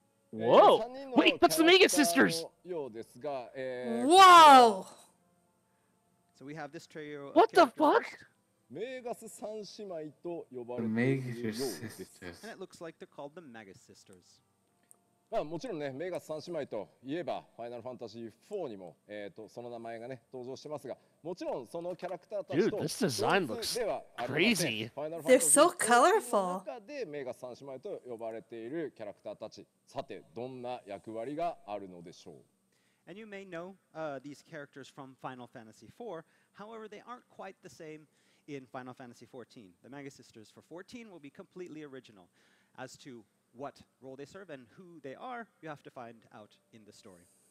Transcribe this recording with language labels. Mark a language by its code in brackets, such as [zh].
[en] Whoa! Wait, that's the Mega Sisters! Wow! So we have this trio. What the fuck? Mega Sisters. And it looks like they're called the Mega Sisters. [ja] まあもちろんね、メガス三姉妹といえばファイナルファンタジー4にもその名前がね登場してますが、もちろんそのキャラクターたちと、 [en] Dude, this design looks crazy. They're so colorful. [ja] でメガス三姉妹と呼ばれているキャラクターたち、さてどんな役割があるのでしょう。 [en] And you may know these characters from Final Fantasy 4. However, they aren't quite the same in Final Fantasy 14. The Mega Sisters for 14 will be completely original. As to what role they serve and who they are, you have to find out in the story.